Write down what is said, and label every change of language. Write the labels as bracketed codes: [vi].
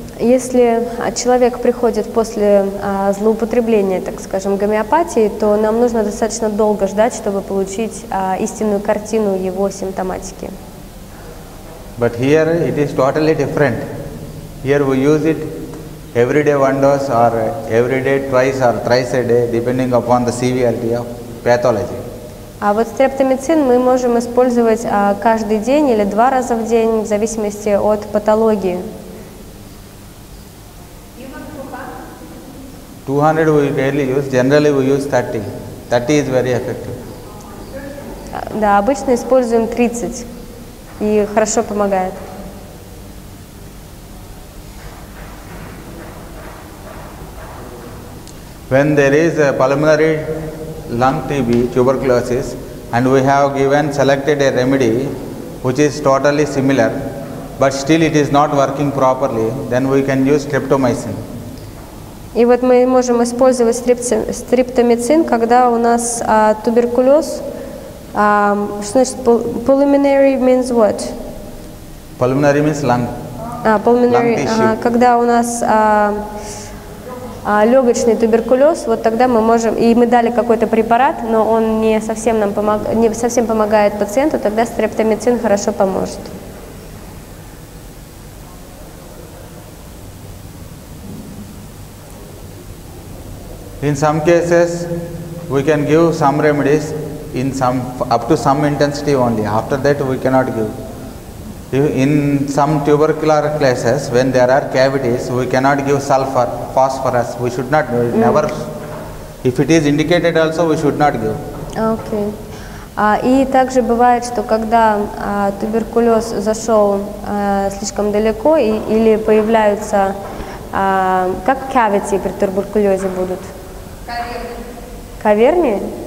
[ru] Если человек приходит после злоупотребления, так скажем, гомеопатии, то нам нужно достаточно долго ждать, чтобы получить истинную картину его симптоматики. [en] But here it is totally different. Here we use it every day one dose or every day twice or thrice a day, depending upon the severity of pathology. [ru] А вот стрептомицин мы можем использовать каждый день или два раза в день, в зависимости от патологии. [en] 200 we rarely use, generally we use 30. 30 is very effective. [ru] Да, обычно используем 30 и хорошо помогает. [en] When there is a pulmonary lung TB, tuberculosis, and we have given selected a remedy which is totally similar, but still it is not working properly, then we can use streptomycin. [ru] И вот мы можем использовать стрептомицин, когда у нас туберкулез. Что значит [en] pulmonary means what? Pulmonary means lung. Pulmonary. [ru] Когда у нас легочный туберкулез, вот тогда мы можем, и мы дали какой-то препарат, но он не совсем нам не совсем помогает пациенту, тогда стрептомицин хорошо поможет. [en] In some cases, we can give some remedies in some up to some intensity only. After that, we cannot give. In some tubercular cases, when there are cavities, we cannot give sulfur, phosphorus. We should not never. If it is indicated, also we should not give. Okay. [ru] И также бывает, что когда туберкулез зашел слишком далеко или появляются как cavity при туберкулезе будут. Каверни.